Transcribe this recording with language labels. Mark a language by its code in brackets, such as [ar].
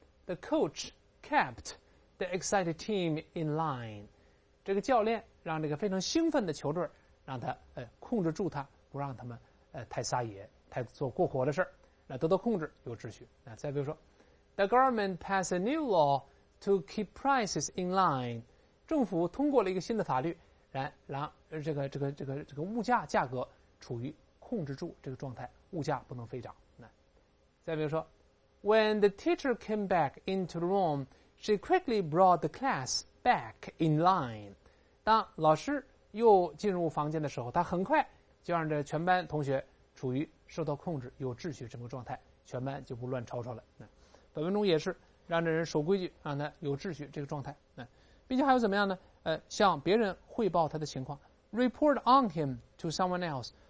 [en] The coach kept the excited team in line。 [zh] 这个教练让这个非常兴奋的球队让他控制住他，不让他们太撒野，太做过火的事，那得到控制，有秩序。那再比如说 [en] The government passed a new law to keep prices in line。 [zh] 政府通过了一个新的法律，让这个物价价格处于控制住这个状态，物价不能飞涨。那再比如说 [en] When the teacher came back into the room, she quickly brought the class back in line。 [zh] 当老师又进入房间的时候，他很快就让这全班同学处于受到控制、有秩序这么个状态，全班就不乱吵吵了。那本文中也是让这人守规矩，让他有秩序这个状态。那并且还有怎么样呢？向别人汇报他的情况 ， [en] report on him to someone else。